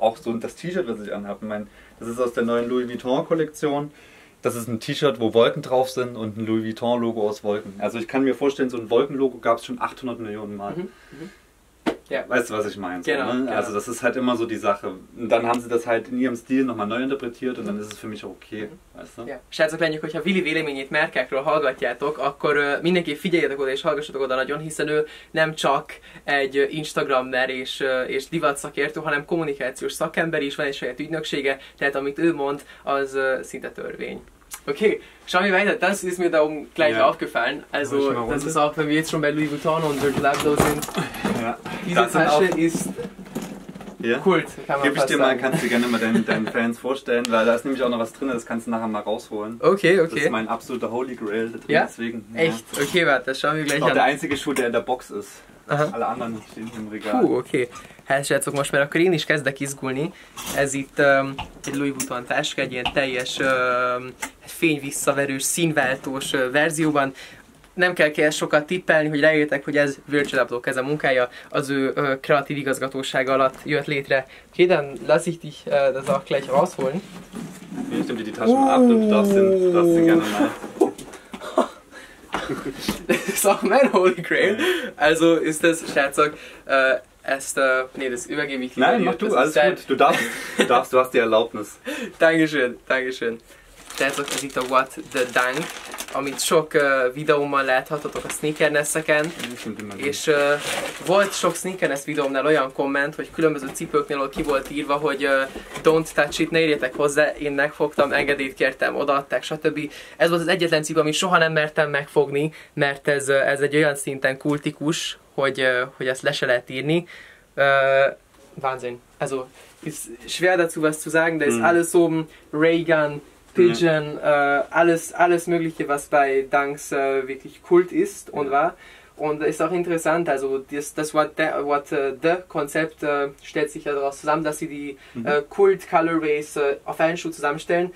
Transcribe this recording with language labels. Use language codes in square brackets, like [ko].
[de] Auch so das T-Shirt, was ich anhabe. Ich meine, das ist aus der neuen Louis Vuitton-Kollektion. Das ist ein T-Shirt, wo Wolken drauf sind und ein Louis Vuitton-Logo aus Wolken. Also ich kann mir vorstellen, so ein Wolken-Logo gab es schon 800 Millionen Mal. Weißt du, was ich meine? Genau, so, ne? Also das ist halt immer so die Sache. Und dann haben sie das halt in ihrem Stil nochmal neu interpretiert und dann ist es für mich auch okay. [hu] Srácok, lányok, hogyha Willi véleményét márkákról hallgatjátok, akkor mindenképp figyeljetek oda és hallgassatok oda nagyon, hiszen ő nem csak egy Instagrammer és divat szakértő, hanem kommunikációs szakember is, van egy saját ügynöksége, tehát amit ő mond, az szinte törvény. [de] Okay, schauen wir weiter. Das ist mir da oben gleich aufgefallen. Also, das ist auch, wenn wir jetzt schon bei Louis Vuitton und Virgil Abloh sind. Diese Tasche ist Kult, kann man sagen. Gib ich dir mal, kannst du gerne mal deinen Fans vorstellen, weil da ist nämlich auch noch was drin, das kannst du nachher mal rausholen. Okay. Das ist mein absoluter Holy Grail da drin, deswegen. Echt? Okay, warte, das schauen wir gleich an. Auch der einzige Schuh, der in der Box ist. Alle anderen stehen im Regal. Puh, okay. [hu] Hát srácok, most már akkor én is kezdek izgulni. Ez itt egy Louis Vuitton táska, egy ilyen teljes fényvisszaverős, színváltós verzióban. Nem kell sokat tippelni, hogy rájöjjetek, hogy ez Virgil Abloh keze munkája, az ő kreatív igazgatósága alatt jött létre. [de] Okay, dann lass ich dich das auch gleich rausholen. Ich nehme dir die Taschen ab, du darfst den gerne mal. Das ist auch mein Holy Grail. Also ist das, srácok, das übergebe ich dir. Nein, mach du, alles gut. Du darfst, du hast die Erlaubnis. Dankeschön. [hu] Tehát ez itt a What the Dunk, amit sok videómmal láthatatok a sneakernesseken. És volt sok sneakernes videómnál olyan komment, hogy különböző cipőknél ki volt írva, hogy [en] don't touch it, [hu] ne érjetek hozzá, én megfogtam, engedélyt kértem, odaadták, stb. Ez volt az egyetlen cipő, amit soha nem mertem megfogni, mert ez egy olyan szinten kultikus, hogy ezt le se lehet írni. [de] Wahnsinn. Also, ist schwer dazu was zu sagen, de ist alles so Reagan, Pigeon, alles mögliche, was bei Dunks wirklich Kult ist und war. Und ist auch interessant, also das What the Konzept stellt sich ja daraus zusammen, dass sie die Kult-Colorways auf einen Schuh zusammenstellen.